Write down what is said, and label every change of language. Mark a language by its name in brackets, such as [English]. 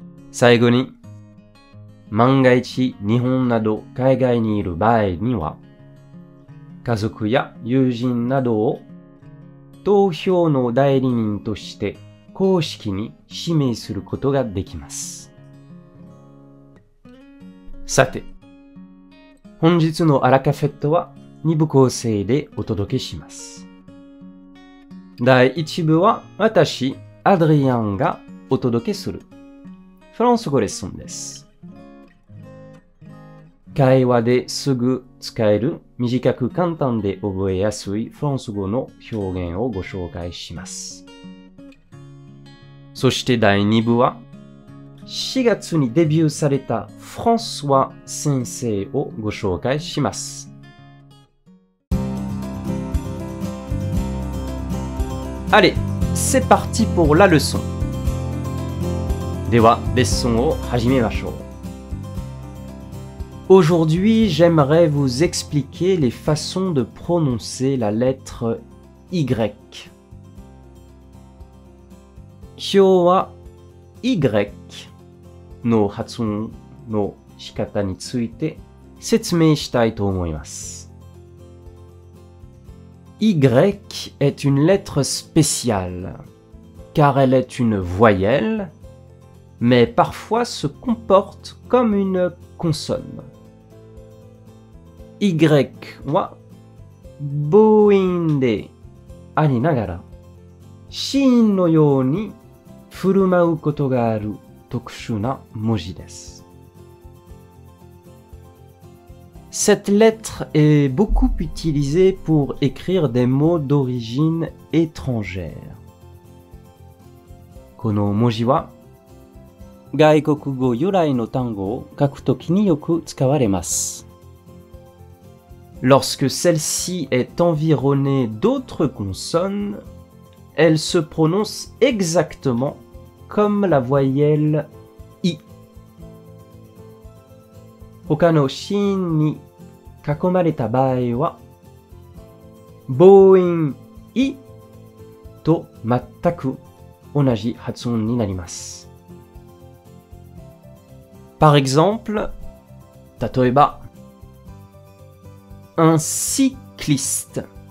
[Japanese] 最後に、万が一日本など海外にいる場合には、家族や友人などを投票の代理人として公式に指名することができます。さて、本日のアラカフェットは2部構成でお届けします。第1部は私、アドリアンがお届けするフランス語レッスンです。会話ですぐ使える短く簡単で覚えやすいフランス語の表現をご紹介します。そして第2部は4月にデビューされたフランソワ先生をご紹介します。 [French] Allez, c'est parti pour la leçon. [Japanese] ではレッスンを始めましょう。 [French] Aujourd'hui, j'aimerais vous expliquer les façons de prononcer la lettre Y. [Japanese] 今日は Y の発音の仕方について説明したいと思います。 [French] Y est une lettre spéciale, car elle est une voyelle, mais parfois se comporte comme une consonne. [Japanese] Y は母音でありながら、子音のように振る舞うことがある特殊な文字です。 [French] Cette lettre est beaucoup utilisée pour écrire des mots d'origine étrangère. [Japanese] この文字は外国語由来の単語を書くときによく使われます。 [French] Lorsque celle-ci est environnée d'autres consonnes, elle se prononce exactement comme la voyelle i. [Japanese] 他の音に囲まれた場合は、母音i と全く同じ発音になります。 [French] Par exemple, [Japanese] 例えば、 [French] un cycliste.